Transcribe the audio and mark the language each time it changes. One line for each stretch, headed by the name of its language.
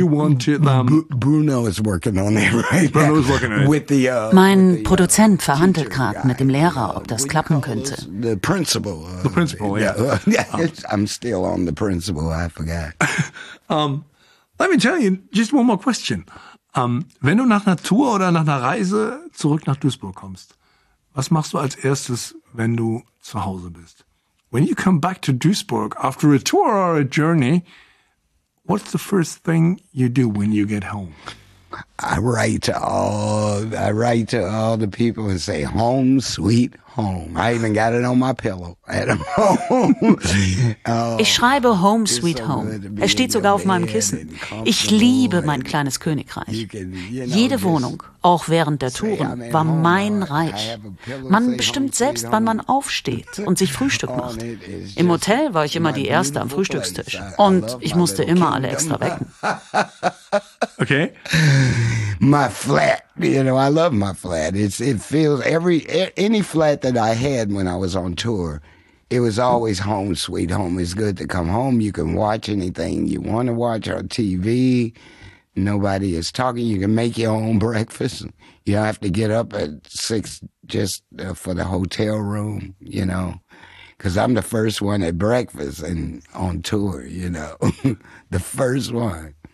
English: Bruno is working on it, right? Bruno's working on it.
German: Mein Produzent verhandelt gerade mit dem Lehrer, ob das klappen könnte.
English: The principal. The principal, yeah. I'm still on the principal, I forgot. Let me tell you, just one more question.
German: Wenn du nach einer Tour oder nach einer Reise zurück nach Duisburg kommst, was machst du als erstes, wenn du zu Hause bist?
English: When you come back to Duisburg after a tour or a journey, what's the first thing you do when you get home? I write to all the people and say, home sweet home. I even got it on my pillow at home.
German: Ich schreibe Home Sweet Home. Es steht sogar auf meinem Kissen. Ich liebe mein kleines Königreich. Jede Wohnung, auch während der Touren, war mein Reich. Man bestimmt selbst, wann man aufsteht und sich Frühstück macht. Im Hotel war ich immer die Erste am Frühstückstisch. Und ich musste immer alle extra wecken. Okay.
English: My flat. You know, I love my flat. It feels any flat that I had when I was on tour, it was always home sweet home. It's good to come home. You can watch anything you want to watch on TV. Nobody is talking. You can make your own breakfast. You don't have to get up at 6 just for the hotel room, you know, because I'm the first one at breakfast and on tour, you know, the first one.